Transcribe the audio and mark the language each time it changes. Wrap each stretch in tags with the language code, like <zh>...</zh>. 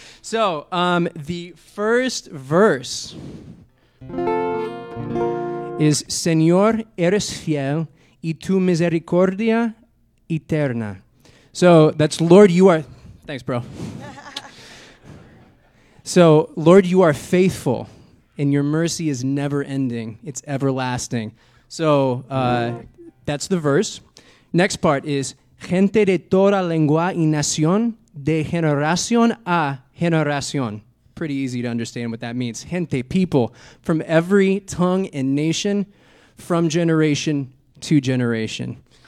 <en>So the first verse is</en> <es>Señor, eres fiel y tu misericordia eterna.</es> <en>So that's Lord, you are... Thanks, bro. So, Lord, you are faithful and your mercy is never ending. It's everlasting. So that's the verse. Next part is</en> <es>Gente de toda lengua y nación de generación a generación.</es> <en>Pretty easy to understand what that means. Gente, people, from every tongue and nation, from generation to generation.</en>